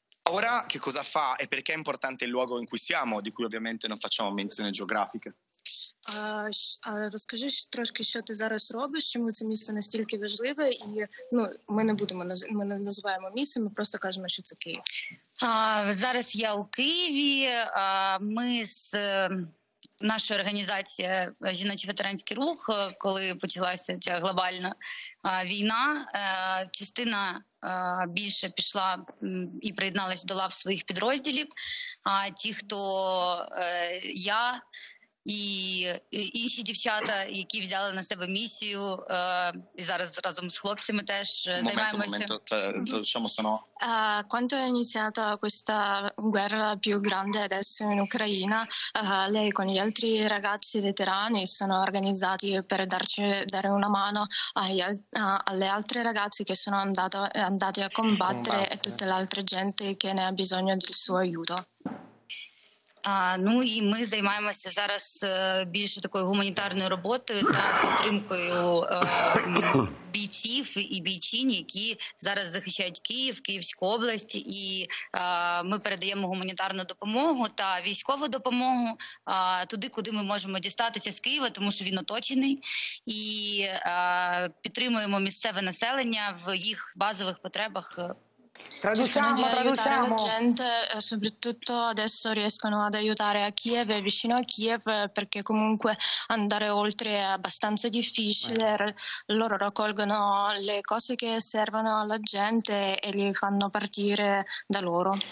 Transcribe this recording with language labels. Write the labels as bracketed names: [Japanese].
[Italian] Ora che cosa fa e perché è importante il luogo in cui siamo, di cui ovviamente non facciamo menzione geografica? [Ukrainian] Розкажи трошки, що ти зараз робиш, чому це місце настільки важливе, і, ну, ми не будемо, ми не називаємо місце, ми просто кажемо, що це Київ. Зараз я у Києві, ми з нашою організацією «Жіночий ветеранський рух», коли почалася ця глобальна війна, частина більше пішла і приєдналась до лав своїх підрозділів, а ті, хто я і інші дівчата, які взяли на себе місію, і зараз разом з хлопцями теж займаємося. [Italian] Quando è iniziata questa guerra più grande adesso in Ucraina, lei con gli altri ragazzi veterani sono organizzati per dare una mano alle altre ragazze che sono andate a combattere e tutta l'altra gente che ne ha bisogno del suo aiuto. [Ukrainian] Ну і ми займаємося зараз більше такою гуманітарною роботою та підтримкою бійців і бійчинь, які зараз захищають Київ, Київську область. І ми передаємо гуманітарну допомогу та військову допомогу туди, куди ми можемо дістатися з Києва, тому що він оточений. І підтримуємо місцеве населення в їх базових потребах. [Italian] Traduciamo. Gente, soprattutto adesso riescono ad aiutare a Kiev, vicino a Kiev, perché comunque andare oltre è abbastanza difficile. Loro raccolgono le cose che servono alla gente e li fanno partire da loro.